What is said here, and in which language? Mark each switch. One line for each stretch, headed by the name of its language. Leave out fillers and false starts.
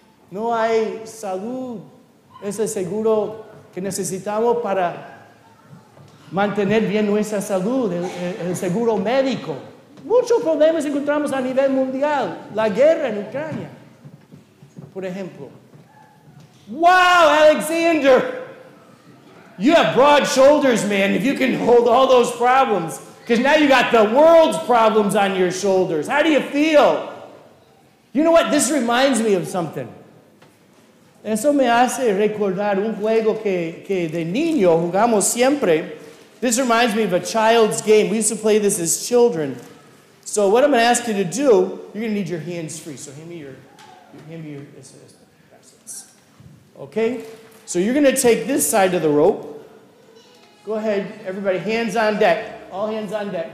Spanish: No hay salud, ese seguro que necesitamos para mantener bien nuestra salud, el seguro médico. Muchos problemas encontramos a nivel mundial, la guerra en Ucrania, por ejemplo.
English: Wow, Alexander, you have broad shoulders, man, if you can hold all those problems. Because now you got the world's problems on your shoulders. How do you feel? You know what? This reminds me of something.
Spanish: Eso me hace recordar un juego que de niño jugamos siempre.
English: This reminds me of a child's game. We used to play this as children. So what I'm going to ask you to do, you're going to need your hands free. So hand me your assistance. Okay? So you're going to take this side of the rope. Go ahead, everybody, hands on deck. All hands on deck.